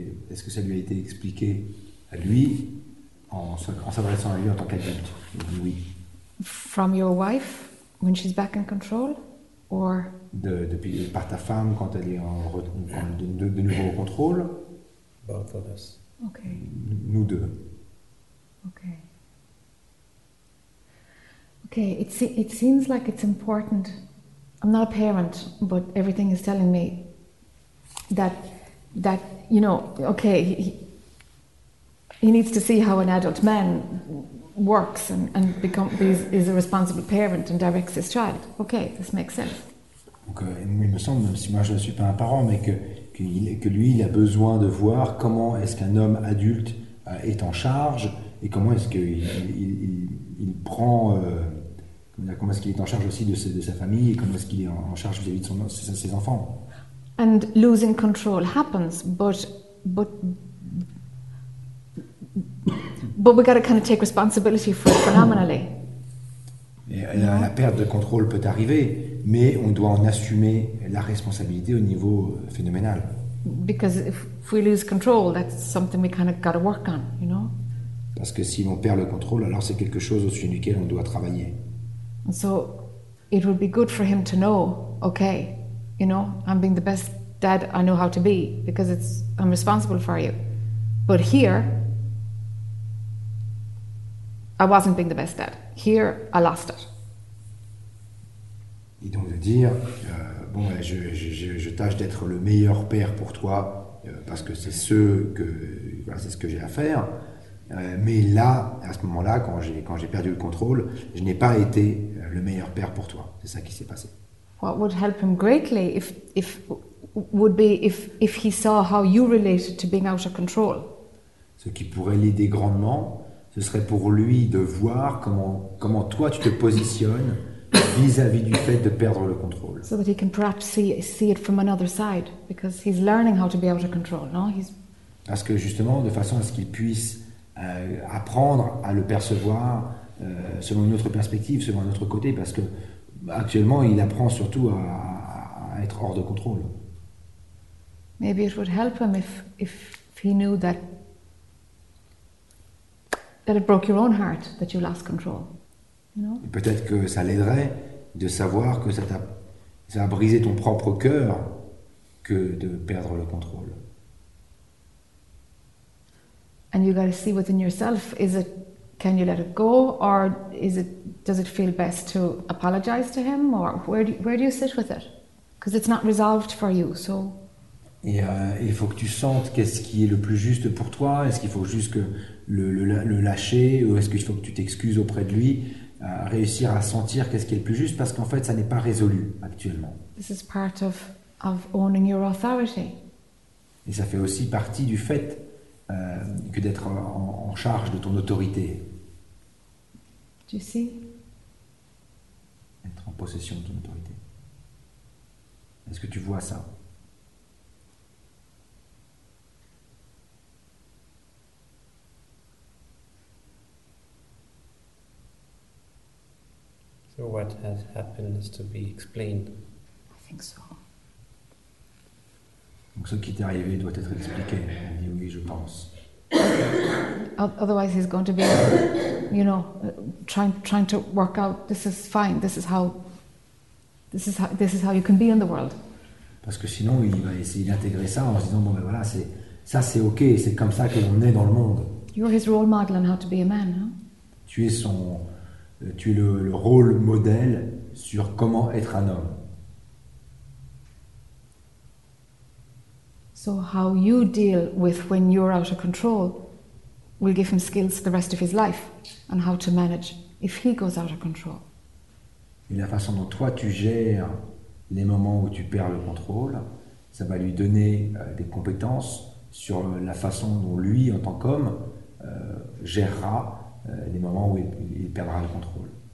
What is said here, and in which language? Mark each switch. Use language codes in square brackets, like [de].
[fr] Est-ce que ça lui a été expliqué à lui en s'adressant à lui en tant qu'adulte? Oui. [en] From your wife when she's back in control, or? [fr] Par ta femme quand elle est de nouveau au contrôle. [en] Both of us. Okay. [fr] Nous deux. [en] Okay. Okay, it seems like it's important. I'm not a parent, but everything is telling me that you know, okay, he needs to see how an adult man works and is a responsible parent and directs his child. Okay, this makes sense. [fr] Donc, il me semble, même si moi je ne suis pas un parent, mais que lui, il a besoin de voir comment est-ce qu'un homme adulte est en charge et comment est-ce qu'il prend... comment est-ce qu'il est en charge aussi de sa famille et comment est-ce qu'il est en charge vis-à-vis de ses enfants. [en] And losing control happens, but we got to kind of take responsibility for it phenomenally. [fr] La perte de contrôle peut arriver, mais on doit en assumer la responsabilité au niveau phénoménal. [en] Because if we lose control, that's something we kind of got to work on, you know. [fr] Parce que si l'on perd le contrôle, alors c'est quelque chose au sujet duquel on doit travailler. [en] And so it would be good for him to know, okay, you know, I'm being the best dad I know how to be because I'm responsible for you. But here, I wasn't being the best dad. Here, I lost it. [fr] Et donc de dire, je tâche d'être le meilleur père pour toi parce que c'est ce que j'ai à faire. Mais là, à ce moment-là, quand j'ai perdu le contrôle, je n'ai pas été le meilleur père pour toi. C'est ça qui s'est passé. [en] What would help him greatly if he saw how you related to being out of control. [fr] Ce qui pourrait l'aider grandement, ce serait pour lui de voir comment toi tu te positionnes vis-à-vis du fait de perdre le contrôle. [en] So that he can perhaps see it from another side, because he's learning how to be out of control, no? [fr] Parce que justement, de façon à ce qu'il puisse apprendre à le percevoir selon une autre perspective, selon un autre côté, parce que Actuellement, il apprend surtout à être hors de contrôle. [en] Maybe it would help him if he knew that it broke your own heart that you lost control. You know? [fr] Peut-être que ça l'aiderait de savoir que ça a brisé ton propre cœur que de perdre le contrôle. [en] And you got to see within yourself, is it, can you let it go, or is it, does it feel best to apologize to him, or where do you sit with it? Because it's not resolved for you, so. [fr] Et il faut que tu sentes qu'est-ce qui est le plus juste pour toi. Est-ce qu'il faut juste que le lâcher, ou est-ce qu'il faut que tu t'excuses auprès de lui? Réussir à sentir qu'est-ce qui est le plus juste, parce qu'en fait, ça n'est pas résolu actuellement. [en] This is part of owning your authority. [fr] Et ça fait aussi partie du fait que d'être en charge de ton autorité. [en] Do you see? [fr] Être en possession de ton autorité. Est-ce que tu vois ça? [en] So what has happened is to be explained. I think so. [fr] Donc ce qui t'est arrivé doit être expliqué. Il dit oui, je pense. [en] Otherwise he's going to be, you know, trying to work out this is fine, this is how you can be in the world. [fr] Parce que sinon il va essayer d'intégrer ça en se disant bon ben voilà, c'est OK, c'est comme ça que l'on est dans le monde. [en] You're his role model on how to be a man, huh? [fr] Tu es son Tu es le rôle modèle sur comment être un homme. [en] So how you deal with when you're out of control will give him skills the rest of his life on how to manage if he goes out of control. [fr] Et la façon dont toi tu gères les moments où tu perds le contrôle, ça va lui donner des compétences sur la façon dont lui, en tant qu'homme, gérera les moments où il perdra le contrôle.